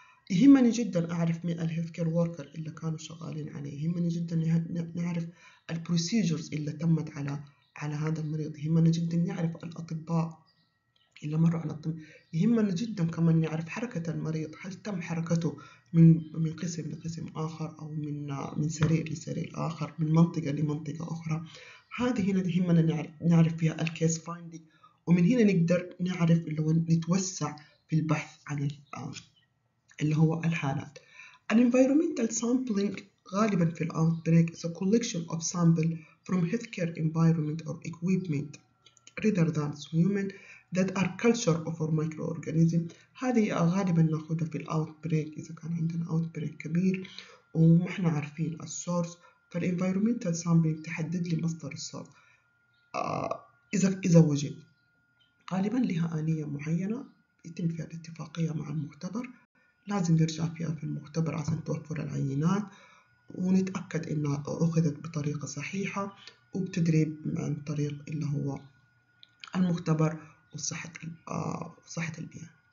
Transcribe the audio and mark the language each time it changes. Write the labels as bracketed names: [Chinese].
[Arabic] يهمني جدا أعرف مين الهيلث كير وركر اللي كانوا شغالين عليه، يهمني جدا نعرف البروسيجرز اللي تمت على هذا المريض، يهمني جدا نعرف الأطباء اللي مروا على الطب، يهمني جدا كمان نعرف حركة المريض، هل تم حركته من قسم لقسم آخر أو من سرير لسرير آخر، من منطقة لمنطقة أخرى. هذه هنا يهمنا نعرف فيها الكيس فايندينج، ومن هنا نقدر نعرف اللي هو نتوسع في البحث عن اللي هو الحالات. [English] Environmental sampling [Arabic] غالبا في الأوتبريك [English] is a collection of sample from healthcare environment or equipment rather than human that are culture of our microorganism. [Arabic] هذه غالبا ناخدها في الأوتبريك إذا كان عندنا أوتبريك كبير وما احنا عارفين السورس، فالإنفيرومنتال سامبلينج تحدد لي مصدر السورس إذا وجد. غالبا لها آلية معينة يتم فيها الاتفاقية مع المختبر، لازم يرجع فيها في المختبر عشان توفر العينات ونتأكد إنها أخذت بطريقة صحيحة وبتدريب عن طريق اللي هو المختبر وصحة البيئة.